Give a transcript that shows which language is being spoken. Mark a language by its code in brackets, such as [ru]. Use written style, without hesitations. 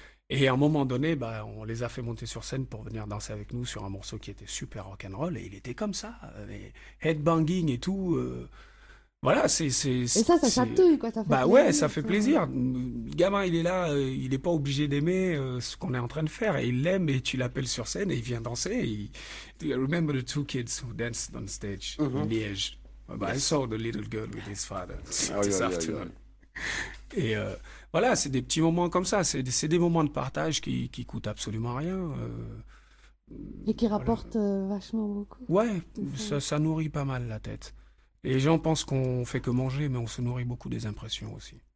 [fr] Et à un moment donné, bah, on les a fait monter sur scène pour venir danser avec nous sur un morceau qui était super rock'n'roll. Et il était comme ça, headbanging et tout. Voilà, Et ça chatouille, quoi. Ça fait bah plaisir, ouais, ça fait plaisir. Le gamin, il est là, il n'est pas obligé d'aimer ce qu'on est en train de faire. Et il l'aime, et tu l'appelles sur scène, et il vient danser. [en] Do you remember the two kids who danced on stage in Liège? But yes. I saw the little girl with his father this afternoon. [fr] Et voilà, c'est des petits moments comme ça. C'est des moments de partage qui coûtent absolument rien. Et qui rapportent vachement beaucoup. Ouais, ça nourrit pas mal la tête. Les gens pensent qu'on fait que manger, mais on se nourrit beaucoup des impressions aussi.